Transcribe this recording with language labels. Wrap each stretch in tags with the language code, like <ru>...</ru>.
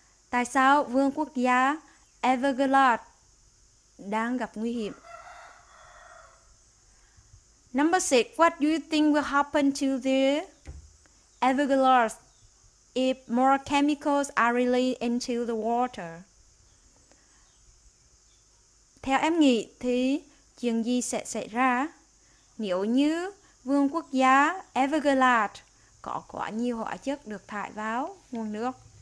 <vi>Tại sao vườn quốc gia Everglades đang gặp nguy hiểm?</vi> <en>Number 6, what do you think will happen to the Everglades? if more chemicals are released into the water.</en> <vi>Theo em nghĩ thì chuyện gì sẽ xảy ra nếu như vương quốc gia Everglades có quá nhiều hóa chất được thải vào nguồn nước?</vi>